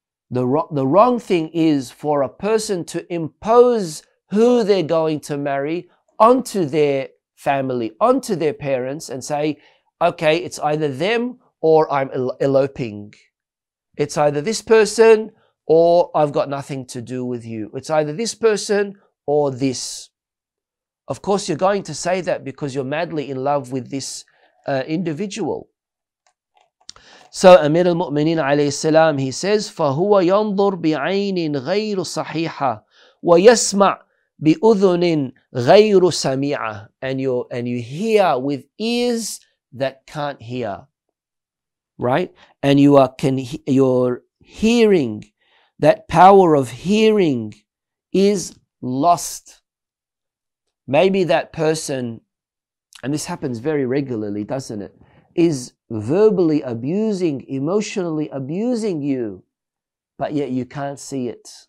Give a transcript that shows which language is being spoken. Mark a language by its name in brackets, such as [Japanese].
[English] The wrong thing is for a person to impose who they're going to marry onto their family, onto their parents, and say, okay, it's either them or I'm eloping. It's either this person or I've got nothing to do with you. It's either this person or this. Of course, you're going to say that because you're madly in love with this individual. So Amir al-Mu'mineen alayhi salam, he says, [Arabic] فَهُوَ يَنْظُرْ بِعَيْنٍ غَيْرُ صَحِيحَةٍ وَيَسْمَعْ بِأُذُنٍ غَيْرُ سَمِيعَةٍ. [English] And you hear with ears that can't hear. Right, and your hearing, that power of hearing is lost. Maybe that person, and this happens very regularly, doesn't it, is verbally abusing, emotionally abusing you, but yet you can't see it.